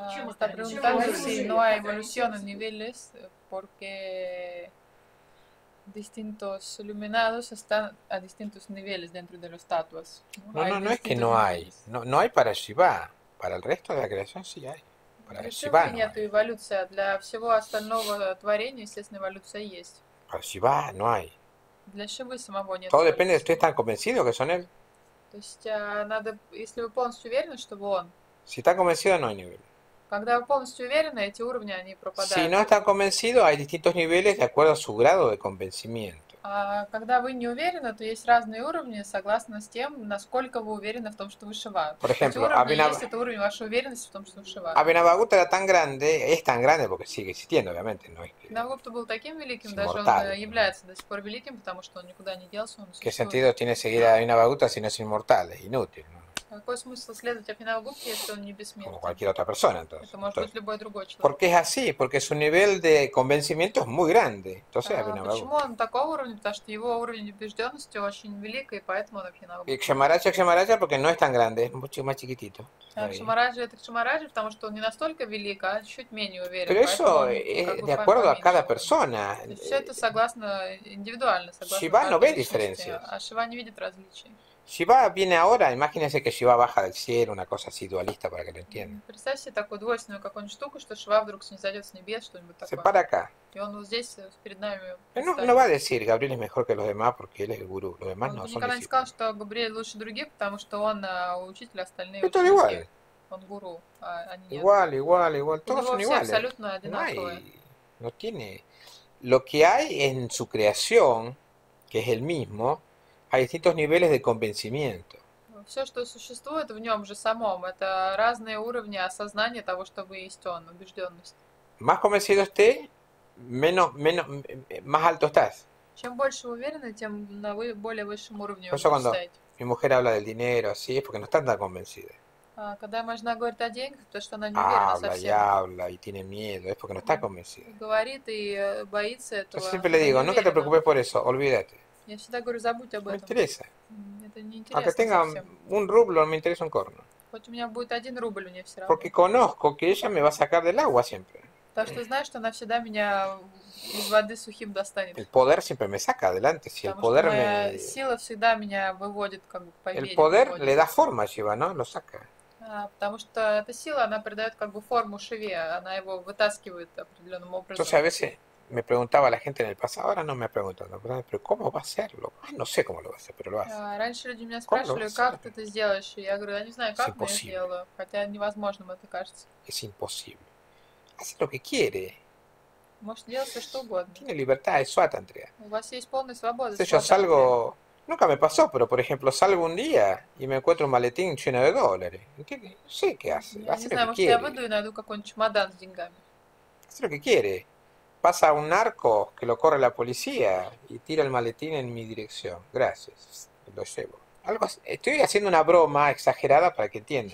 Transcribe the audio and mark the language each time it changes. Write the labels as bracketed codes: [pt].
[es] Está preguntando si no hay evolución en niveles porque distintos iluminados están a distintos niveles dentro de las estatuas. No, no, no es que no hay. No hay para Shiva. Para el resto de la creación sí hay. Para Shiva no hay. Evolución. [ru] Для всего остального творения, естественно, эволюция есть. [es] Para Shiva no hay. [ru] Для Шивы самого нет. [es] Todo depende de ustedes están convencidos que son él. [ru] То есть надо, если вы полностью уверены, что он. [es] Si está convencido, no hay nivel. [ru] Когда вы полностью уверены, эти уровни они пропадают. [es] Si no está convencido, hay distintos niveles de acuerdo a su grado de convencimiento. [ru] А когда вы не уверены, то есть разные уровни согласно с тем, насколько вы уверены в том, что вы Шива. [es] Por ejemplo, [ru] есть это уровень вашей уверенности в том, что вы Шива. [es] Абинавагута era tan grande, es tan grande porque sigue existiendo, obviamente, no es que... [ru] Абинавагута был таким великим, даже он является до сих пор великим, потому что он никуда не делся, он существует. [es] ¿Qué sentido tiene seguir a Абинавагута, si no es inmortal? Es inútil, ¿no? [ru] Какой смысл следовать Абинавагупте, если он не бессмертен? [es] Como cualquier otra persona, entonces. [ru] Это может быть любой другой человек. [es] Porque es así, porque su nivel de convencimiento es muy grande. Entonces, [ru] почему он такого уровня? Потому что его уровень убежденности очень велик, и поэтому он Абинавагупте. [es] Y Кшамараджа, Кшамараджа, porque no es tan grande, es mucho más chiquitito. [ru] Кшамараджа, это Кшамараджа, потому что он не настолько велик, а чуть менее уверен. [es] Pero eso es de acuerdo a cada persona. [ru] Все это согласно индивидуально, согласно. Шива не видит разницы. А Шива не видит различий. [es] Shiva viene ahora, imagínense que Shiva baja del cielo, una cosa así dualista para que lo entiendan. [ru] Представьте такую двойственную какую-нибудь штуку, что Шива вдруг снизойдет с небес, что-нибудь такое. [es] Se para acá. [ru] И он вот здесь перед нами. [es] No va a decir Gabriel es mejor que los demás porque él es el gurú. Los demás no son. [ru] Никогда не сказал, что Габриэль лучше других, потому что он учитель, остальные ученики. Это [es] igual. [ru] Он гуру, а они нет. [es] Igual, igual, igual. Todos son iguales. [ru] Абсолютно одинаковые. [es] No tiene. Lo que hay en su creación, que es el mismo. Hay distintos niveles de convencimiento. [ru] Все, что существует в нем же самом, это разные уровни осознания того, что вы есть он, убежденность. [es] Más convencido esté, menos, más alto estás. [ru] Чем больше вы уверены, тем на вы более высшем уровне вы стоите. [es] Mi mujer habla del dinero, así es porque no está tan convencida. [ru] Когда моя жена говорит о деньгах, то что она не [es] habla, [ru] уверена совсем. [es] Habla, y tiene miedo, es porque no está convencida. [ru] Говорит и боится этого. [es] Entonces, siempre le digo, nunca te preocupes por eso, olvídate. [ru] Я всегда говорю, забудь об [es] me [ru] этом. Интереса. Это не интересно [es] tenga [ru] совсем. [es] Un rublo, me interesa un corno. [ru] Хоть у меня будет один рубль, мне все равно. [es] Porque conozco que ella me va a sacar del agua siempre. [ru] Так что знаешь, что она всегда меня из воды сухим достанет. [es] El poder siempre me saca adelante. Si el poder [ru] моя [es] me... [ru] сила всегда меня выводит, как бы, к победе. [es] El poder [ru] выводит. [es] Le da forma a Shiva, ¿no? Lo saca. [ru] Потому что эта сила, она придает как бы форму Шиве. Она его вытаскивает определенным образом. [es] Entonces, a veces... Me preguntaba la gente en el pasado, ahora no me preguntan, pero ¿cómo va a hacerlo? Ay, no sé cómo lo va a hacer, pero lo hace. [ru] Раньше люди меня спрашивали, как ты это сделаешь, и я говорю, я не знаю, как я сделаю, хотя невозможно, мне кажется. [es] Es imposible. Hace lo que quiere. [ru] Может делать все, что угодно. [es] Tiene libertad, es suata, Andrea. [ru] У вас есть полная свобода. [es] Entonces, yo salgo, nunca me pasó, pero por ejemplo, salgo un día y me encuentro un maletín lleno de dólares. ¿Entiendes? Sé qué hace, [ru] я [es] hace [ru] не знаю, [es] lo que quiere. [ru] Может, я выйду и найду какой-нибудь чемодан с деньгами. [es] Hace lo que quiere. Pasa un narco que lo corre la policía y tira el maletín en mi dirección. Gracias, lo llevo. Algo, estoy haciendo una broma exagerada para que entiendan.